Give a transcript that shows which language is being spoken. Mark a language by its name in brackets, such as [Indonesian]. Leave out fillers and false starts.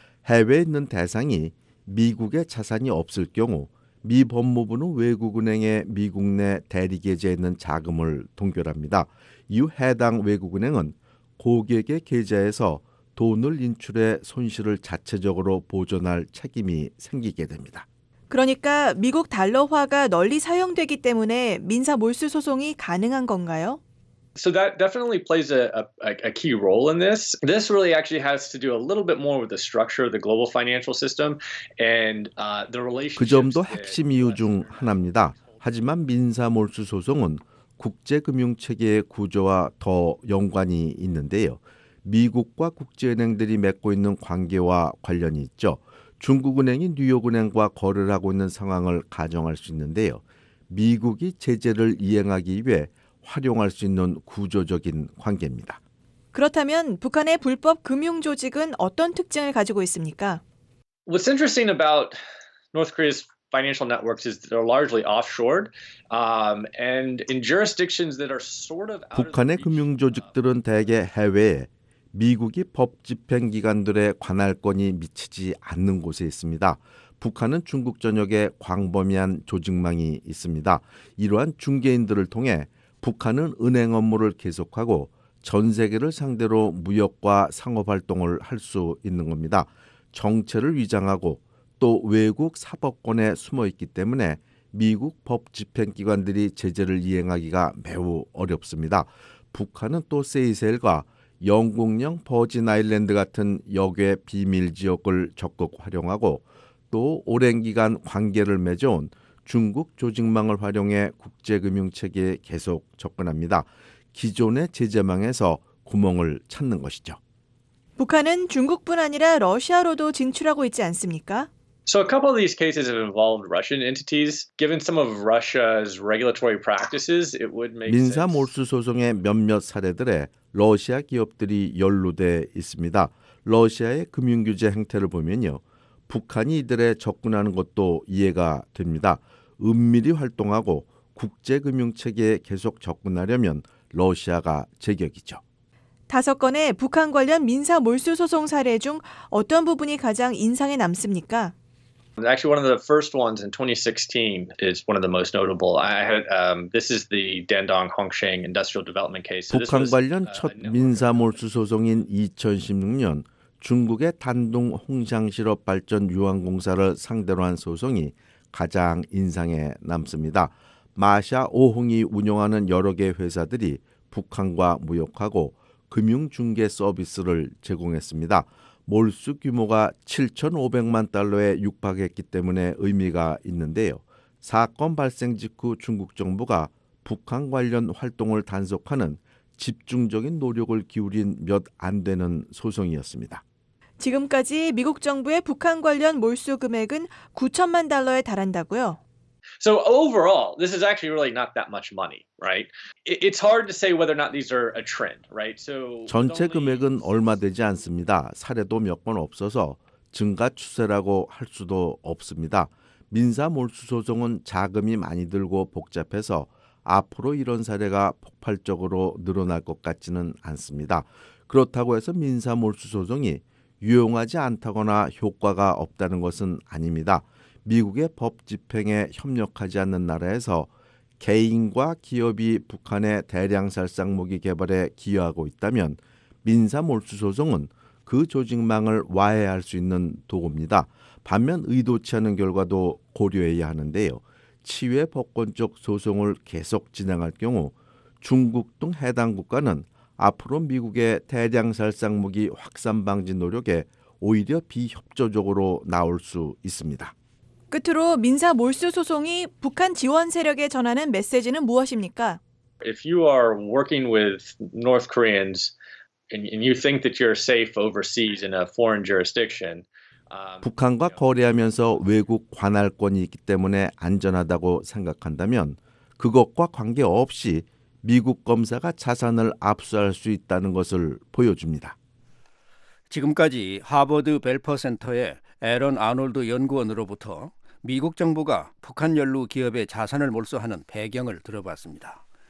[Korean] 해외에 있는 대상이 미국의 자산이 없을 경우 미 법무부는 외국은행의 미국 내 대리 계좌에 있는 자금을 동결합니다. 이후 해당 외국은행은 고객의 계좌에서 돈을 인출해 손실을 자체적으로 보존할 책임이 생기게 됩니다. 그러니까 미국 달러화가 널리 사용되기 때문에 민사 몰수 소송이 가능한 건가요? [English] So that definitely plays a key role in this. This really actually has to do a little bit more with the structure of the global financial system and the relationship. [Korean] 그 점도 핵심 이유 중 하나입니다. 하지만 민사 몰수 소송은 국제 금융 체계의 구조와 더 연관이 있는데요. 미국과 국제 은행들이 맺고 있는 관계와 관련이 있죠. 중국은행이 뉴욕은행과 거래를 하고 있는 상황을 가정할 수 있는데요. 미국이 제재를 이행하기 위해 활용할 수 있는 구조적인 관계입니다. 그렇다면 북한의 불법 금융 조직은 어떤 특징을 가지고 있습니까? [English] What's interesting about North Korea's financial networks is that they're largely offshore. And in jurisdictions that are sort of [Korean] 북한의 금융 조직들은 대개 해외에 미국이 법 집행기관들의 관할권이 미치지 않는 곳에 있습니다. 북한은 중국 전역에 광범위한 조직망이 있습니다. 이러한 중개인들을 통해 북한은 은행 업무를 계속하고 전 세계를 상대로 무역과 상업활동을 할 수 있는 겁니다. 정체를 위장하고 또 외국 사법권에 숨어있기 때문에 미국 법 집행기관들이 제재를 이행하기가 매우 어렵습니다. 북한은 또 세이셀과 영국령 버진 아일랜드 같은 역외 비밀 지역을 적극 활용하고 또 오랜 기간 관계를 맺어온 중국 조직망을 활용해 국제금융체계에 계속 접근합니다. 기존의 제재망에서 구멍을 찾는 것이죠. 북한은 중국뿐 아니라 러시아로도 진출하고 있지 않습니까? [English] So a couple of these cases have involved Russian entities. Given some of Russia's regulatory practices, it would make [Korean] 민사 몰수 소송의 몇몇 사례들에 러시아 기업들이 연루돼 있습니다. 러시아의 금융 규제 행태를 보면요, 북한이 이들에 접근하는 것도 이해가 됩니다. 은밀히 활동하고 국제 금융 체계에 계속 접근하려면 러시아가 제격이죠. 다섯 건의 북한 관련 민사 몰수 소송 사례 중 어떤 부분이 가장 인상에 남습니까? [English] Actually, one of the first ones in 2016 is one of the most notable. This is the Dandong Hongsheng Industrial Development Case. [Korean] 북한 관련 첫 민사 몰수 소송인 2016년 중국의 단둥 홍장실업 발전 유황공사를 상대로 한 소송이 가장 인상에 남습니다. 마샤 오홍이 운영하는 여러 개 회사들이 북한과 무역하고 금융중개 서비스를 제공했습니다. 몰수 규모가 7,500만 달러에 육박했기 때문에 의미가 있는데요. 사건 발생 직후 중국 정부가 북한 관련 활동을 단속하는 집중적인 노력을 기울인 몇 안 되는 소송이었습니다. 지금까지 미국 정부의 북한 관련 몰수 금액은 9천만 달러에 달한다고요. [English] So overall, this is actually really not that much money, right? It's hard to say whether or not these are a trend, right? So [Korean] 전체 금액은 얼마 되지 않습니다. 사례도 몇 건 없어서 증가 추세라고 할 수도 없습니다. 민사 몰수 소송은 자금이 많이 들고 복잡해서 앞으로 이런 사례가 폭발적으로 늘어날 것 같지는 않습니다. 그렇다고 해서 민사 몰수 소송이 유용하지 않다거나 효과가 없다는 것은 아닙니다. 미국의 법 집행에 협력하지 않는 나라에서 개인과 기업이 북한의 대량 살상 무기 개발에 기여하고 있다면 민사 몰수 소송은 그 조직망을 와해할 수 있는 도구입니다. 반면 의도치 않은 결과도 고려해야 하는데요. 치외 법권적 소송을 계속 진행할 경우 중국 등 해당 국가는 앞으로 미국의 대량 살상 무기 확산 방지 노력에 오히려 비협조적으로 나올 수 있습니다. 끝으로 민사 몰수 소송이 북한 지원 세력에 전하는 메시지는 무엇입니까? [English] If you are working with North Koreans and you think that you're safe overseas in a foreign jurisdiction, [Korean] 북한과 거래하면서 외국 관할권이 있기 때문에 안전하다고 생각한다면 그것과 관계없이 미국 검사가 자산을 압수할 수 있다는 것을 보여줍니다. 지금까지 하버드 벨퍼센터의 에런 아놀드 연구원으로부터 미국 정부가 북한 연료 기업의 자산을 몰수하는 배경을 들어봤습니다.